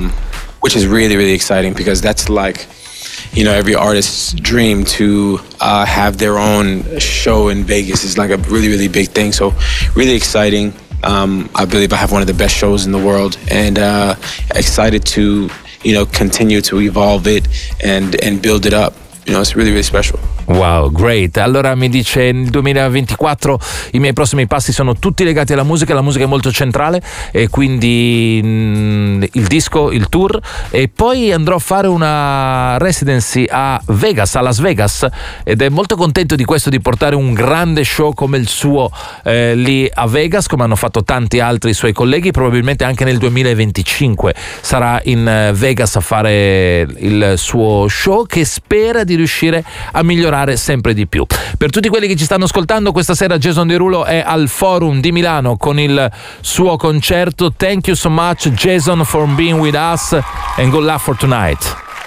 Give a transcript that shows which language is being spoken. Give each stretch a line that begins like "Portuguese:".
English: Which is really, really exciting because that's like, you know, every artist's dream to have their own show in Vegas is like a really, really big thing. So really exciting. I believe I have one of the best shows in the world and excited to, you know, continue to evolve it and build it up. You know, it's really, really special. Wow, great.
Italian: Allora mi dice nel 2024 i miei prossimi passi sono tutti legati alla musica, la musica è molto centrale e quindi il disco, il tour e poi andrò a fare una residency a Vegas, a Las Vegas ed è molto contento di questo, di portare un grande show come il suo lì a Vegas, come hanno fatto tanti altri suoi colleghi, probabilmente anche nel 2025 sarà in Vegas a fare il suo show che spera di riuscire a migliorare sempre di più. Per tutti quelli che ci stanno ascoltando, questa sera Jason Derulo è al Forum di Milano con il suo concerto.
English: Thank you so much Jason for being with us and good luck for tonight.